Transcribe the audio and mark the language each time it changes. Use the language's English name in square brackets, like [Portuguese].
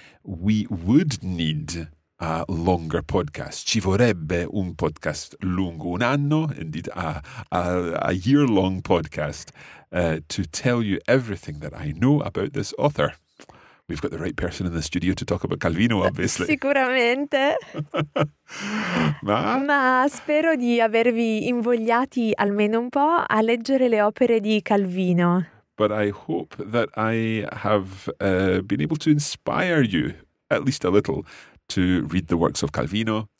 [English] We would need a longer podcast. [Italian] Ci vorrebbe un podcast lungo un anno, [English] indeed a year-long podcast, to tell you everything that I know about this author. We've got the right person in the studio to talk about Calvino, obviously. [Italian] Sicuramente. Ma spero di avervi invogliati almeno un po' a leggere le opere di Calvino. [English] But I hope that I have been able to inspire you, at least a little, to read the works of Calvino.